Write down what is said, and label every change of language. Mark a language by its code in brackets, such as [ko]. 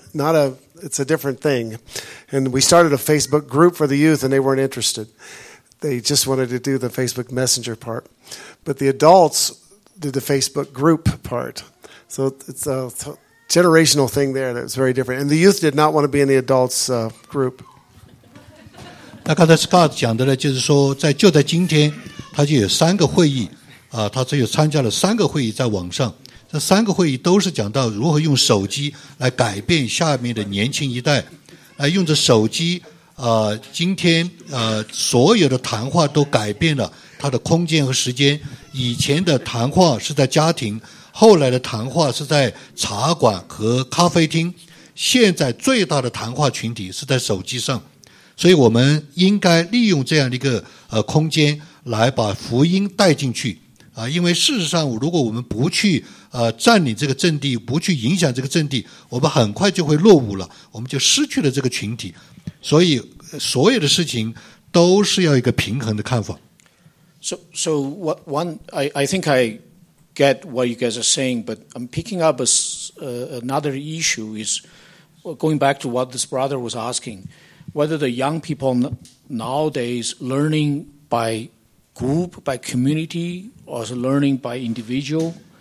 [en] It's a different thing. And we started a Facebook group for the youth, and they weren't interested. They just wanted to do the Facebook Messenger part. But the adults did the Facebook group part. So it's a generational thing there that's very different. And the youth did not want to be in the adults group. [zh] 那刚才 Scott 讲的呢，就是说就在今天，他就有三个会议，他只有参加了三个会议在网上。这三个会议都是讲到如何用手机来改变下面的年轻一代，来用着手机，今天所有的谈话都改变了他的空间和时间。以前的谈话是在家庭，后来的谈话是在茶馆和咖啡厅，现在最大的谈话群体是在手机上。所以我们应该利用这样的一个空间来把福音带进去啊，因为事实上如果我们不去占领这个阵地，不去影响这个阵地，我们很快就会落伍了，我们就失去了这个群体。所以所有的事情都是要一个平衡的看法。 [en] So what one, I think I get what you guys are saying, but I'm picking up another issue is going back to what this brother was asking, whether the young people nowadays learning by group, by community, or is learning by individual.